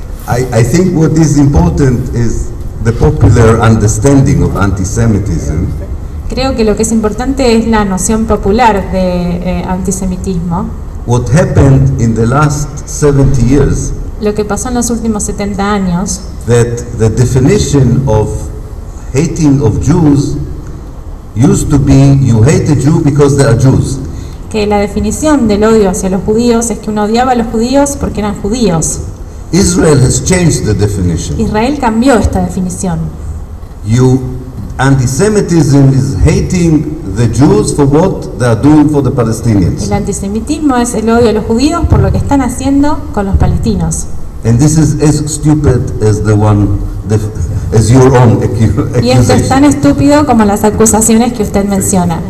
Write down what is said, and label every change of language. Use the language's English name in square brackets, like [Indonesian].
[English] I think what is important is the popular understanding of antisemitism. [Spanish] Creo que lo que es importante es la noción popular de antisemitismo. [English] What happened in the last 70 years? [Spanish] Lo que pasó en los últimos 70 años. [English] That the definition of hating of Jews used to be you hate a Jew because they are Jews. [Spanish] Que la definición del odio hacia los judíos es que uno odiaba a los judíos porque eran judíos. [English] Israel has changed the definition. [Spanish] Israel cambió esta definición. [English] You antisemitism is hating the Jews for what they are doing for the Palestinians. [Spanish] El antisemitismo es el odio a los judíos por lo que están haciendo con los palestinos. [English] And this is as stupid as the one as your own accusation. [Spanish] Y esto es tan estúpido como las acusaciones que usted menciona.